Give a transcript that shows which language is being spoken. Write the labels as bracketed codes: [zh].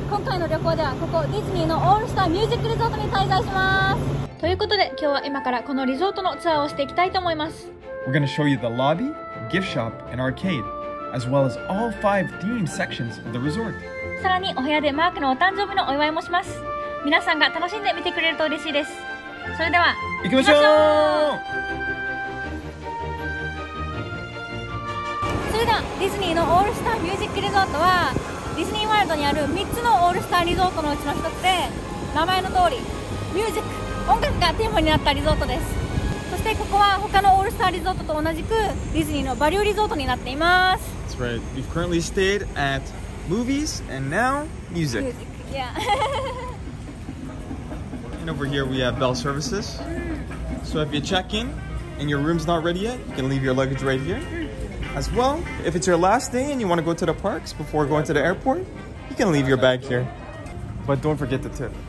[ja] 今回の旅行ではここディズニーのオールスターミュージックリゾートに滞在します。ということで今日は今からこのリゾートのツアーをしていきたいと思います。 [en] We're going to show you the lobby, gift shop and arcade as well as all five theme sections of the resort. [ja] さらにお部屋でマークのお誕生日のお祝いもします。皆さんが楽しんで見てくれると嬉しいです。それでは行きましょう。それではディズニーのオールスターミュージックリゾートはディズニーワールドにある3つのオールスターリゾートのうちの1つで、名前の通りミュージック、音楽がテーマになったリゾートです。そしてここは他のオールスターリゾートと同じくディズニーのバリューリゾートになっています。 [en] That's right. We've currently stayed at movies and now music. Music, yeah. And over here we have bell services. So if you check in and your room's not ready yet, you can leave your luggage right here. As well, if it's your last day and you want to go to the parks before going to the airport, you can leave your bag here. But don't forget the tip.